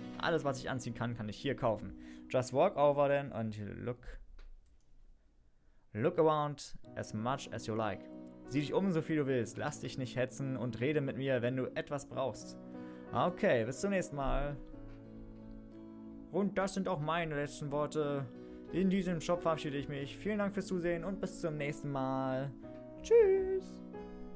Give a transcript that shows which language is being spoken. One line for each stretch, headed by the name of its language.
German: Alles, was ich anziehen kann, kann ich hier kaufen.
English: Just walk over then and look around as much as you like.
German: Sieh dich um, so viel du willst. Lass dich nicht hetzen und rede mit mir, wenn du etwas brauchst. Okay, bis zum nächsten Mal. Und das sind auch meine letzten Worte. In diesem Shop verabschiede ich mich. Vielen Dank fürs Zusehen und bis zum nächsten Mal. Tschüss.